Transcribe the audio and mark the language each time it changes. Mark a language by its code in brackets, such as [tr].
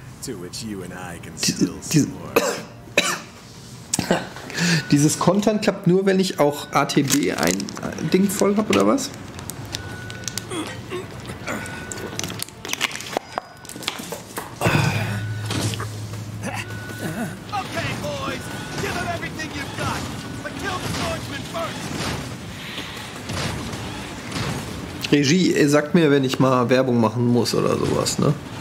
[en] To which you and I can still score. [de] Dieses Kontern klappt nur, wenn ich auch ATB ein Ding voll habe, oder was? [en] Okay, boys, give them everything you've got, but kill the swordsman first. [de] Regie, sagt mir, wenn ich mal Werbung machen muss oder sowas, ne?